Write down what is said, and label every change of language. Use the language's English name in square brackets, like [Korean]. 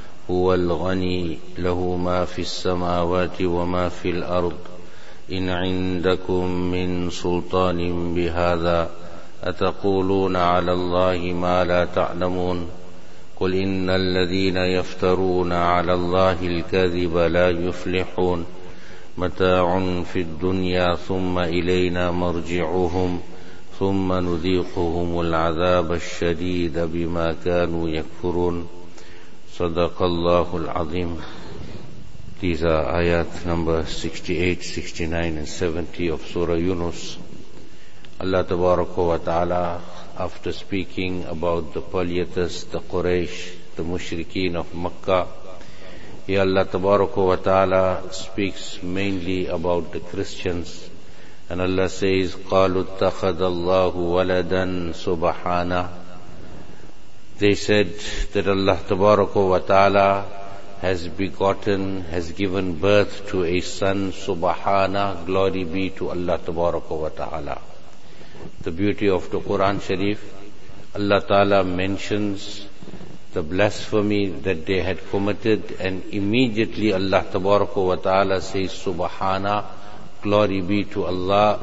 [Arabic] هو الغني له ما في السماوات وما في الأرض إن عندكم من سلطان بهذا أتقولون على الله ما لا تعلمون قل إن الذين يفترون على الله الكذب لا يفلحون متاع في الدنيا ثم إلينا مرجعهم ثم نذيقهم العذاب الشديد بما كانوا يكفرون صدق الله العظيم. [English] These are ayat number 68, 69 and 70 of Surah Yunus. Allah tabaraka wa ta'ala, after speaking about the polytheists, the Quraysh, the mushrikeen of Makkah, here Allah tabaraka wa ta'ala speaks mainly about the Christians. And Allah says, [Arabic] قَالُوا اتَّخَذَ اللَّهُ وَلَدًا سُبْحَانَهُ. [English] They said that Allah tabaraka wa ta'ala has given birth to a son, Subhana, glory be to Allah tabaraka wa ta'ala. The beauty of the Quran Sharif, Allah ta'ala mentions the blasphemy that they had committed, and immediately Allah tabaraka wa ta'ala says, Subhana, glory be to Allah.